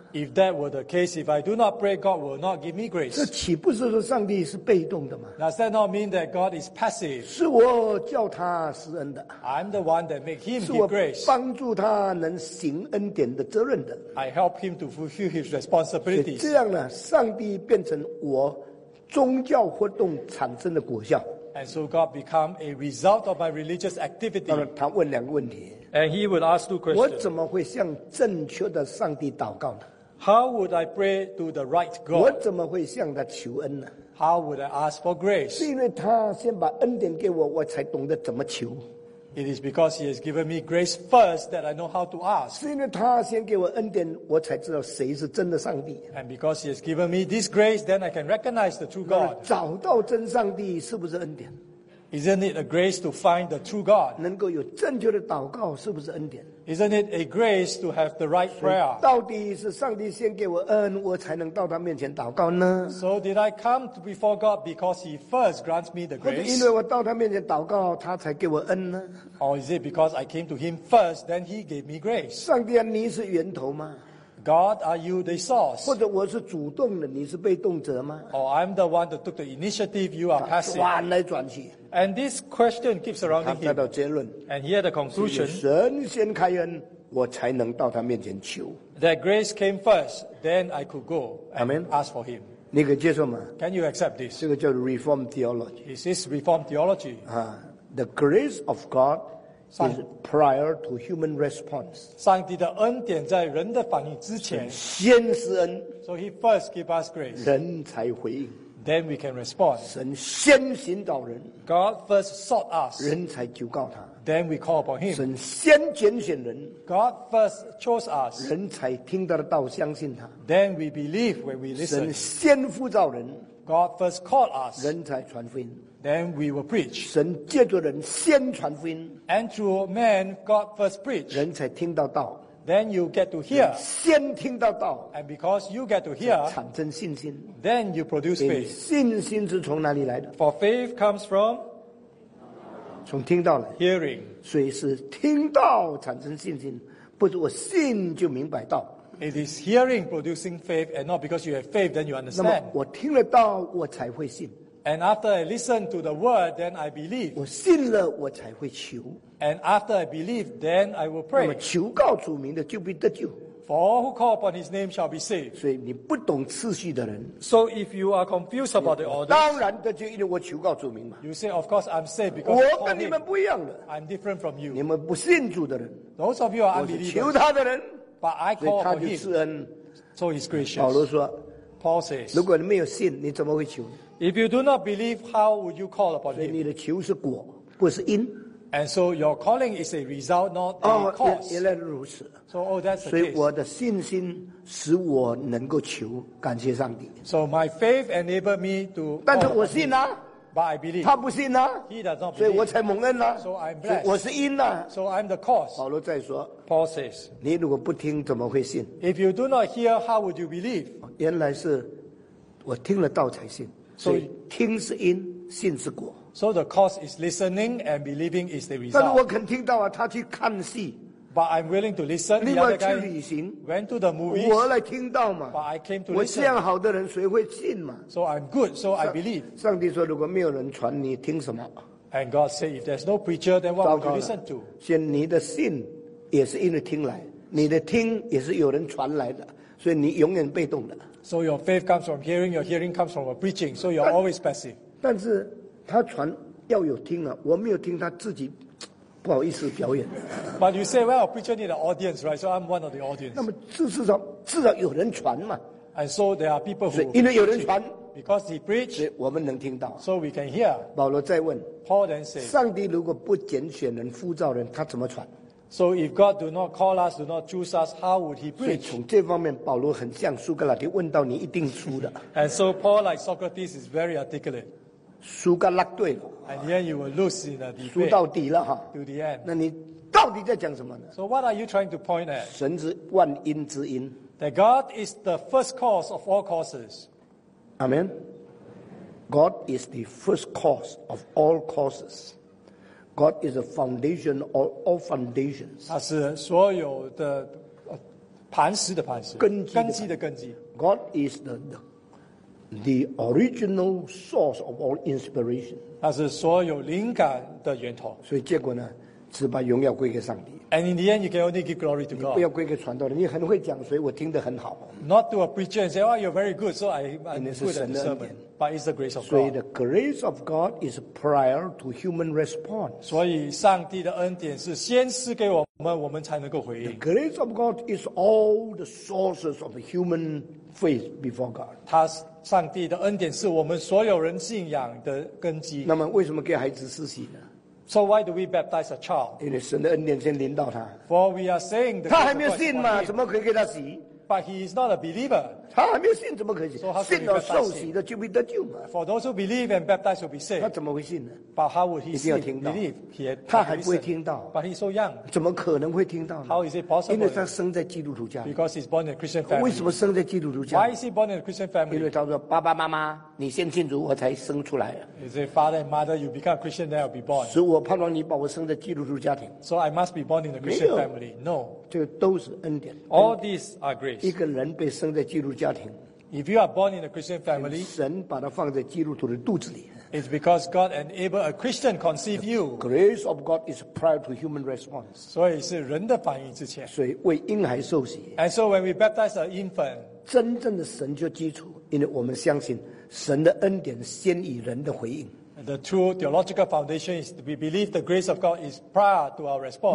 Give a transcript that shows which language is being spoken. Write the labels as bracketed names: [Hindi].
[English] If that were the case, if I do not pray God will not give me grace. [Chinese] 这岂不是说上帝是被动的吗？ [English] Does that not mean that God is passive? [Chinese] 是我叫他施恩的。 [English] I'm the one that make him give grace. [Chinese] 是我帮助他能行恩典的责任的。 [English] I help him to fulfill his responsibilities. [Chinese] 这样呢上帝变成我宗教活动产生的果效。 [English] And so God became a result of my religious activity. [Chinese] 他问两个问题。 [English] And he would ask two questions. [Chinese] 我怎么会向正确的上帝祷告呢？ [English] How would I pray to the right God? [Chinese] 我怎么会向他求恩呢？ [English] How would I ask for grace? [Chinese] 是因为他先把恩典给我，我才懂得怎么求。 [English] It is because he has given me grace first that I know how to ask. [Chinese] 是因为他先给我恩典，我才知道谁是真的上帝。 [English] And because he has given me this grace, then I can recognize the true God. [Chinese] 找到真上帝是不是恩典？ [English] Isn't it a grace to find the true God? [Chinese] 能够有正确的祷告是不是恩典？ [English] Isn't it a grace to have the right prayer? [Chinese] 到底是上帝先给我恩，我才能到他面前祷告呢？ [English] So did I come before God because he first grants me the grace? [Chinese] 因为我到他面前祷告，他才给我恩呢？ [English] Or is it because I came to him first, then he gave me grace? [Chinese] 上帝啊，你是源头吗？ [English] God, are you the source? [Chinese] 或者我是主动的，你是被动者吗？ [English] Or I'm the one that took the initiative, you are passive. [Chinese] 转来转去。 [English] And this question keeps surrounding him. [Chinese] 他得到结论。 [English] And he had a conclusion. [Chinese] 神先开恩，我才能到他面前求。 [English] That grace came first, then I could go and Amen. Ask for him. [Chinese] 你可接受吗？ [English] Can you accept this? [Chinese] 这个叫 Reform theology. [English] Is this Reform theology? The grace of God is prior to human response. [Chinese] 上帝的恩典在人的反应之前。先施恩。 [English] So he first gave us grace. [Chinese] 人才回应。 [English] Then we can respond. [Chinese] 神先寻找人。 [English] God first sought us. [Chinese] 人才求告他。 [English] Then we call upon him. [Chinese] 神先拣选人。 [English] God first chose us. [Chinese] 人才听得到相信他。 [English] Then we believe when we listen. [Chinese] 神先呼召人。 [English] God first called us. [Chinese] 人才传福音。 [English] Then we will preach. [Chinese] 神借着人先传福音。 [English] And through man, God first preached. [Chinese] 人才听到道。 [English] Then you get to hear. [Chinese] 先听到道。 [English] And because you get to hear, [Chinese] 产生信心。 [English] Then you produce faith. [Chinese] 信心是从哪里来的？ [English] For faith comes from? [Chinese] 从听到来。 [English] Hearing. [Chinese] 所以是听到产生信心，不是我信就明白道。 [English] It is hearing producing faith, and not because you have faith, then you understand. [Chinese] 那么我听了道，我才会信。 [English] And after I listen to the word, then I believe. [Chinese] 我信了，我才会求。 [English] And after I believe, then I will pray. [Chinese] 那么求告主名的就必得救。 [English] For all who call upon his name shall be saved. [Chinese] 所以你不懂次序的人。 [English] So if you are confused about the order. [Chinese] 当然得救，因为我求告主名嘛。 [English] You say, of course I'm saved because I call him. [Chinese] 我跟你们不一样的。 [English] I'm different from you. [Chinese] 你们不信主的人。 [English] Those of you are unbelievers. [Chinese] 我是求他的人。 [English] But I call upon him. [Chinese] 所以他就施恩。 [English] So he's gracious. [Chinese] 保罗说。 [English] Paul says. [Chinese] 如果你没有信，你怎么会求？ [English] If you do not believe, how would you call upon him? [Chinese] 所以你的求是果，不是因。 [English] And so your calling is a result, not a cause. [Chinese] 原来如此。 [English] So, oh, that's the case. [Chinese] 所以我的信心使我能够求，感谢上帝。 [English] So my faith enabled me to. [Chinese] 但是我信啊。 [English] But I believe. [Chinese] 他不信啊。 [English] He does not believe. [Chinese] 所以我才蒙恩啊。 [English] So I'm blessed. [Chinese] 我是因啊。 [English] So I'm the cause. [Chinese] 保罗再说。 [English] Paul says. [Chinese] 你如果不听，怎么会信？ [English] If you do not hear, how would you believe? [Chinese] 原来是我听了道才信。所以听是因，信是果。 [English] So the cause is listening and believing is the result. [Chinese] 但是我肯听到啊，他去看戏。 [English] But I'm willing to listen. [Chinese] 另外去旅行 [English] went to the movies, [Chinese] 我来听到嘛 [English] but I came to [Chinese] 我这样好的人谁会信嘛 [English] So I'm good, so I believe. [Chinese] 上帝说如果没有人传你听什么 [English] And God said if there's no preacher then what would you listen to? [Chinese] 先你的信也是因为听来你的听也是有人传来的所以你永远被动的 [English] So your faith comes from hearing, your hearing comes from a preaching, so you're always passive. [Chinese] 但是他传要有听啊我没有听他自己不好意思表演 [English] But you say, well, preacher need an audience, right? So I'm one of the audience. [Chinese] 那么至少有人传嘛 [English] And so there are people who [Chinese] 所以因为有人传 [English] Because he preached, [Chinese] 所以我们能听到 [English] So we can hear. [Chinese] 保罗再问 [English] Paul then said, [Chinese] 上帝如果不拣选人呼召人他怎么传 [English] So if God do not call us, do not choose us, how would he preach? [Chinese] 所以从这方面保罗很像苏格拉底问到你一定输的 [English] And so Paul, like Socrates, is very articulate. [Chinese] 输个烂对了 [English] And then you will lose in the debate. [Chinese] 输到底了哈。 [English] To the end. [Chinese] 那你到底在讲什么呢 [English] ？So what are you trying to point at? [Chinese] 神是万因之因。 [English] That God is the first cause of all causes. Amen. God is the first cause of all causes. God is the foundation of all foundations. [Chinese] 他是所有的磐石的磐石。根基的根基。 [English] God is the original source of all inspiration. [Chinese] 那是所有灵感的源头。所以结果呢，只把荣耀归给上帝。 [English] And in the end, you can only give glory to God. [Chinese] 你不要归给传道人，你很会讲，所以我听得很好。 [English] Not to a preacher and say, "Oh, you're very good, so I'm good at the sermon." But it's the grace of God. 所以 the grace of God is prior to human response. [Chinese] 所以上帝的恩典是先赐给我们，我们才能够回应。 [English] The grace of God is all the sources of human faith before God. [Chinese] 他是上帝的恩典是我们所有人信仰的根基。那么为什么给孩子施洗呢 [English] ？So why do we baptize a child？ [Chinese] 因为神的恩典先临到他。 [English] For we are saying [Chinese] 他还没有信嘛，怎么可以给他洗 [English] ？But he is not a believer。 [Chinese] 他还没有信，怎么可以洗？ [English] So、how [Chinese] 信到受洗的就必得救嘛。 [English] For those who believe and baptize will be saved。 [Chinese] 他怎么会信呢 [English] ？But how would he see？ [Chinese] 一定要听到。 [English] Believe he had [Chinese] 他还不会听到。 [English] But he's so young。 [Chinese] 怎么可能会听到呢 [English] ？How is it possible？ [Chinese] 因为他生在基督徒家。 [English] Because he's born in a Christian family。 [Chinese] 为什么生在基督徒家 [English] ？Why is he born in a Christian family？ [Chinese] 因为他说：“爸爸妈妈，你先信主，我才生出来。” [English] Is it father and mother? You become a Christian, then I'll be born。 [Chinese] 所以我盼望你把我生在基督徒家庭。 [English] So I must be born in a Christian family? No。 [Chinese] 这都是恩典。 [English] All these are grace。 [Chinese] 一个人被生在基督家庭 [English] If you are born in a Christian family, [Chinese] 神把它放在基督徒的肚子里 [English] It's because God enabled a Christian conceive you. Grace of God is prior to human response. [Chinese] 所以是人的反应之前。所以为婴孩受洗。 [English] And so when we baptize an infant, [Chinese] 真正的神就基础，因为我们相信神的恩典先以人的回应。 [English] The true theological foundation is we believe the grace of God is prior to our response.